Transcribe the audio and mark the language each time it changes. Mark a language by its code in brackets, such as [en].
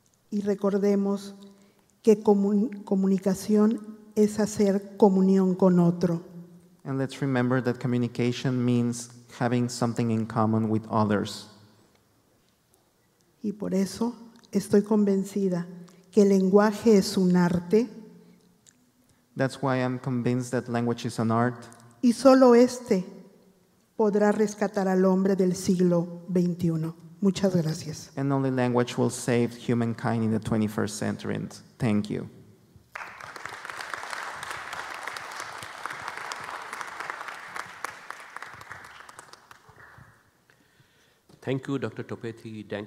[es] Y recordemos que comunicación es hacer comunión con otro. [en] And let's remember that communication means having something in common with others. [es] Y por eso estoy convencida que el lenguaje es un arte. [en] That's why I'm convinced that language is an art. [es] Y solo este podrá rescatar al hombre del siglo XXI. Muchas gracias. [en] And only language will save humankind in the 21st century. Thank you. Thank you, Dr. Topete.